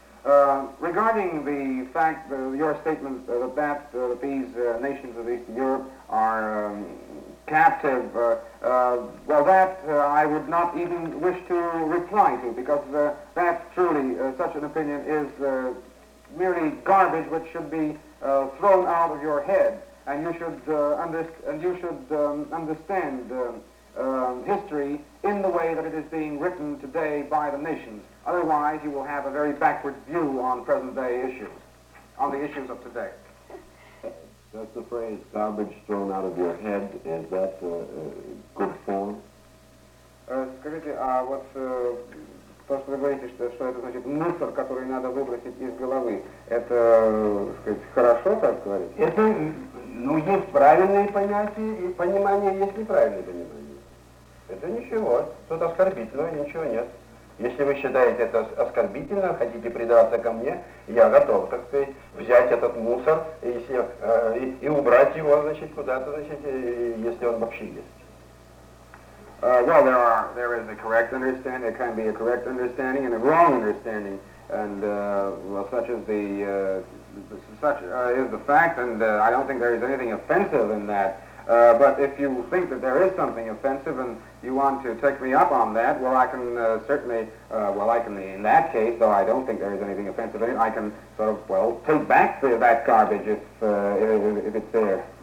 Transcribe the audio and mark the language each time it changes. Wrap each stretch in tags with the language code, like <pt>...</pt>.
<en>Regarding the fact, your statement that these nations of Eastern Europe are captive, I would not even wish to reply to, because that truly, such an opinion is merely garbage which should be thrown out of your head, and you should understand history in the way that it is being written today by the nations. Otherwise, you will have a very backward view on present-day issues, on the issues of today. Does the phrase garbage thrown out of your head, is that good form?</en> <ru>Скажите, а вот то, что вы говорите, что это значит мусор, который надо выбросить из головы, это, сказать, хорошо так говорить? Это, ну, есть правильные понятия, и понимание есть неправильное понимание. Это ничего, тут оскорбительного ничего нет. Если вы считаете это оскорбительно, хотите предаться ко мне, я готов, так сказать, взять этот мусор и убрать его, значит, куда-то, значит, если он вообще есть.</ru> <en>Well, there is a correct understanding, there can be a correct understanding and a wrong understanding, and such is the fact, and I don't think there is anything offensive in that. But if you think that there is something offensive and you want to take me up on that, well, I can certainly, in that case, though I don't think there is anything offensive in it, I can sort of, well, take back that garbage if it's there.</en>